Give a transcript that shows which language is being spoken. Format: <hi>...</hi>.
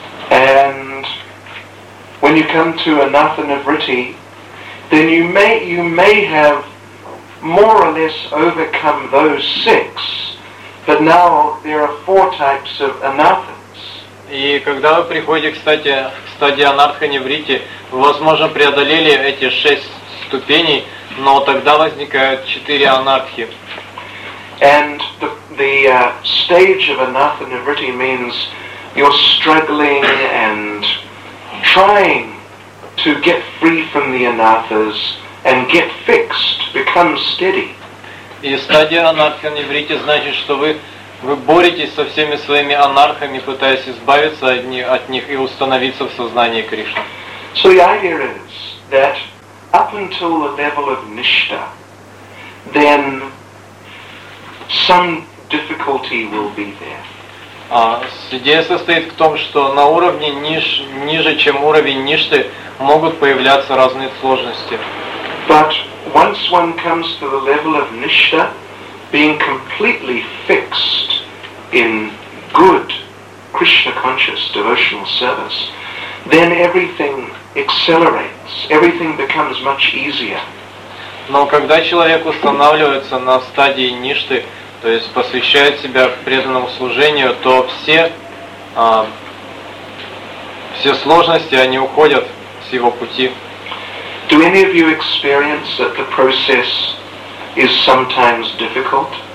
<en>And when you come to anatha nivritti, then you may have more or less overcome those six, but now there are four types of anatha.</en> <ru>И когда вы приходите, кстати, к стадии Анатха Нивритти, вы, возможно, преодолели эти шесть ступеней, но тогда возникают четыре анатхи.</ru> <en>And the stage of anathanavritti means you're struggling and trying to get free from the anathas and get fixed, become steady.</en> <ru>И стадия анатха-невритти значит, что вы боретесь со всеми своими анархами, пытаясь избавиться от них и установиться в сознании Кришны.</ru> <en>So the idea is that up until the level of nishta, then some difficulty will be there.</en> <ru>Идея состоит в том, что на уровне ниже, чем уровень ништы, могут появляться разные сложности.</ru> <en>But once one comes to the level of nishta, being completely fixed in good Krishna conscious devotional service, then everything accelerates, everything becomes much easier.</en> <ru>Но когда человек устанавливается на стадии ништы, то есть посвящает себя преданному служению, то все сложности, они уходят с его пути.</ru> <en>Do any of you experience that the process is sometimes difficult?</en>